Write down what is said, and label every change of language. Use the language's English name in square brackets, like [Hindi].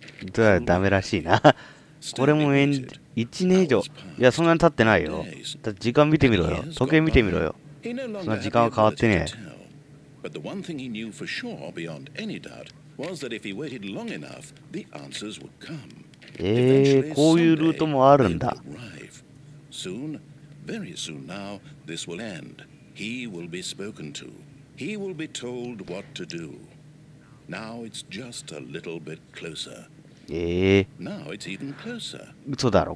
[Japanese] どうやらダメらしいな。これも1年以上。いや、そんなに経ってないよ。だ時間見てみろよ。時計見てみろよ。そんな時間は変わってねえ。 [English] But the one thing he knew for sure beyond any doubt was that if he waited long enough, the answers would come. [Japanese] こういうルートもあるんだ。 [English] Soon, very soon now, this will end. He will be spoken to. He will be told what to do. Now it's just a little bit closer. Now it's even closer. [Japanese] 嘘だろ。